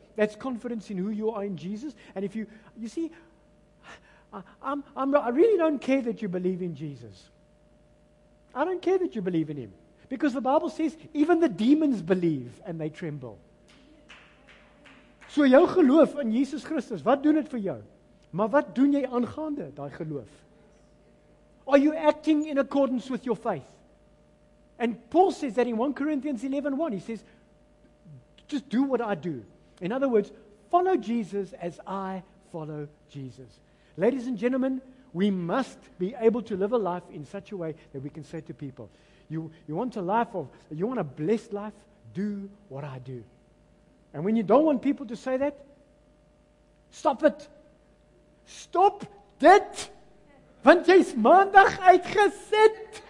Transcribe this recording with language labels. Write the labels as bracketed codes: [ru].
[en] That's confidence in who you are in Jesus. And if you, you see, I really don't care that you believe in Jesus. I don't care that you believe in him. Because the Bible says, even the demons believe and they tremble. [af] So jou geloof in Jesus Christus, wat doen het vir jou? Maar wat doen jy aangaande, die geloof? [en] Are you acting in accordance with your faith? And Paul says that in 1 Corinthians 11:1, he says, just do what I do. In other words, follow Jesus as I follow Jesus. Ladies and gentlemen, we must be able to live a life in such a way that we can say to people, you want a life of, you want a blessed life, do what I do. And when you don't want people to say that, stop it. [af] Stop dit. Want jy is maandag uitgesit.